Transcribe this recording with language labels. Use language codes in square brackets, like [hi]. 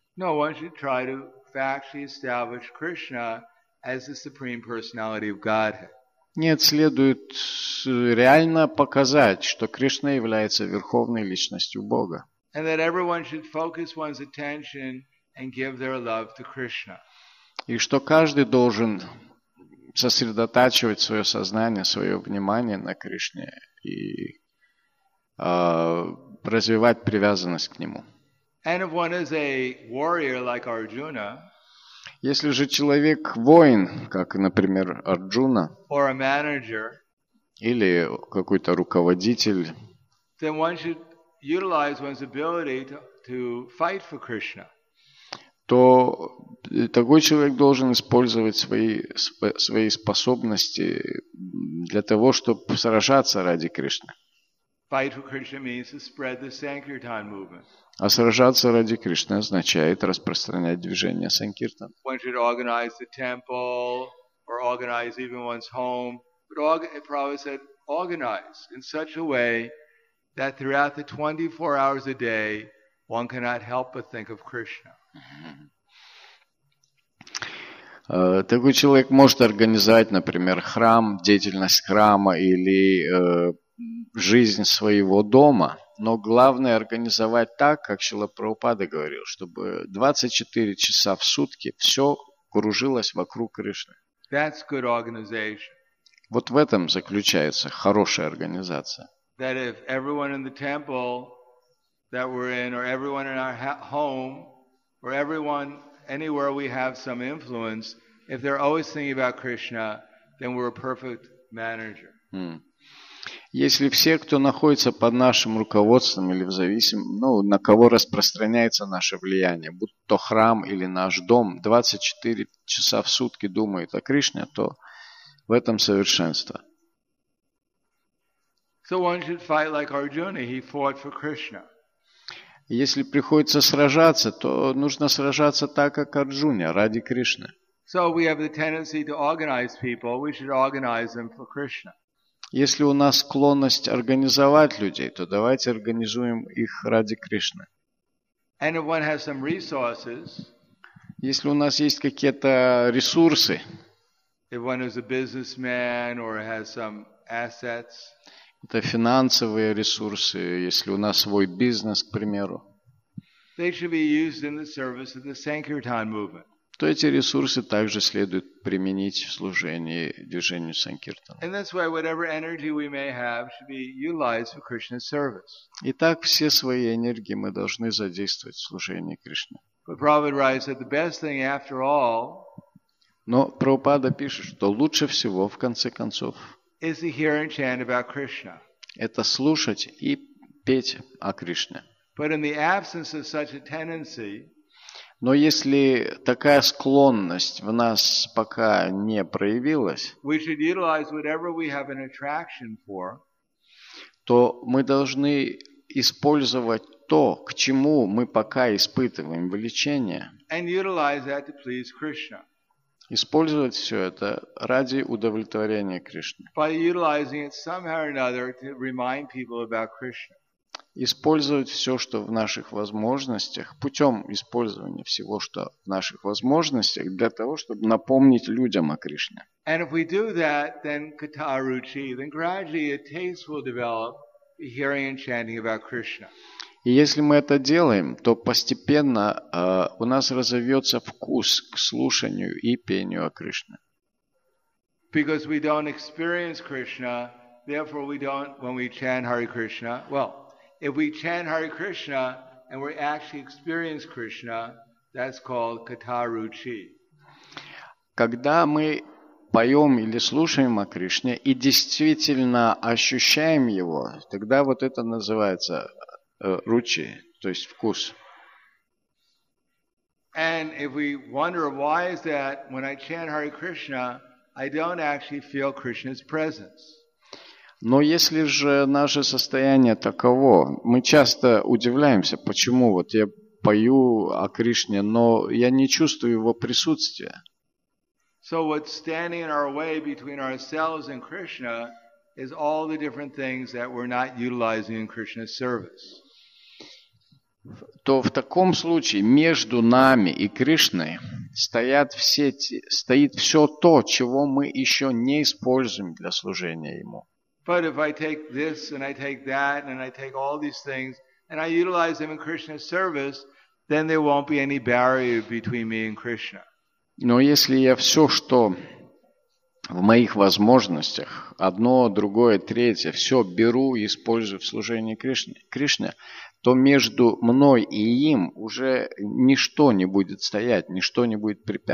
[en] No, one should try to factually establish Krishna as the Supreme Personality of Godhead. [ru] Нет, следует реально показать, что Кришна является Верховной Личностью Бога. [en] And that everyone should focus one's attention and give their love to Krishna. [ru] И что каждый должен сосредотачивать свое сознание, свое внимание на Кришне и развивать привязанность к Нему. [en] And if one is a warrior like Arjuna, [ru] если же человек воин, как, например, Арджуна, [en] or a manager, [ru] или какой-то руководитель, [en] then one should utilize one's ability to fight for Krishna. [ru] То такой человек должен использовать свои способности для того, чтобы сражаться ради Кришны. [en] Fight for Krishna means to spread the Sankirtan movement. [ru] А сражаться ради Кришны означает распространять движение Санкиртан. [en] One should organize the temple or organize even one's home. But Prabhupada said, organize in such a way that throughout the 24 hours a day one cannot help but think of Krishna. [ru] Такой человек может организовать, например, храм, деятельность храма или жизнь своего дома. Но главное организовать так, как Шрила Прабхупада говорил, чтобы 24 часа в сутки все кружилось вокруг Кришны. [en] That's good organization. [ru] Вот в этом заключается хорошая организация. [en] That if everyone in the temple that we're in, or everyone in our home, or everyone anywhere we have some influence, if they're always thinking about Krishna, then we're a perfect manager. [ru] Если все, кто находится под нашим руководством или на кого распространяется наше влияние, будь то храм или наш дом, 24 часа в сутки думают о Кришне, то в этом совершенство. [en] So one should fight like Arjuna. He fought for Krishna. [ru] Если приходится сражаться, то нужно сражаться так, как Арджуна, ради Кришны. [en] So we have the tendency to organize people. We should organize them for Krishna. [ru] Если у нас склонность организовать людей, то давайте организуем их ради Кришны. [en] And if one has some resources, [ru] если у нас есть какие-то ресурсы, [en] if one is a businessman or has some assets, [ru] это финансовые ресурсы, если у нас свой бизнес, к примеру, [en] they should be used in the service of the Sankirtan movement. [ru] То эти ресурсы также следует применить в служении движению Санкиртан. [en] And that's why whatever energy we may have should be utilized for Krishna's service. [ru] Итак, все свои энергии мы должны задействовать в служении Кришне. [en] But Prabhupada writes that the best thing after all, [ru] но Прабхупада пишет, что лучше всего, в конце концов, [en] is to hear and chant about Krishna. [ru] Это слушать и петь о Кришне. [en] But in the absence of such a tendency, [ru] но если такая склонность в нас пока не проявилась, [en] we should utilize whatever we have an attraction for, [ru] то мы должны использовать то, к чему мы пока испытываем влечение, [en] and utilize that to please Krishna. [ru] Использовать все это ради удовлетворения Кришны. [en] By utilizing it somehow or another to remind people about Krishna. [ru] Использовать все, что в наших возможностях, путем использования всего, что в наших возможностях, для того, чтобы напомнить людям о Кришне. [en] And if we do that, then katha ruchi, then gradually a taste will develop hearing and chanting about Krishna. [ru] И если мы это делаем, то постепенно у нас разовьется вкус к слушанию и пению о Кришне. [en] Because we don't experience Krishna, therefore we don't, when we chant Hare Krishna, well, if we chant Hare Krishna and we actually experience Krishna, that's called katha ruchi. [ru] Когда мы поем или слушаем о Кришне и действительно ощущаем его, тогда вот это называется ручи, то есть вкус. [en] And if we wonder why is that when I chant Hare Krishna, I don't actually feel Krishna's presence. [ru] Но если же наше состояние таково, мы часто удивляемся, почему вот я пою о Кришне, но я не чувствую его присутствия. [en] So what's standing in our way between ourselves and Krishna is all the different things that we're not utilizing in Krishna's service. [ru] То в таком случае между нами и Кришной стоит все то, чего мы еще не используем для служения Ему. [en] But if I take this and I take that and I take all these things and I utilize them in Krishna's service, then there won't be any barrier between me and Krishna. [ru] Но если я все, что в моих возможностях, одно, другое, третье, все беру и использую в служении Кришне, то между мной и им уже ничто не будет стоять, ничто не будет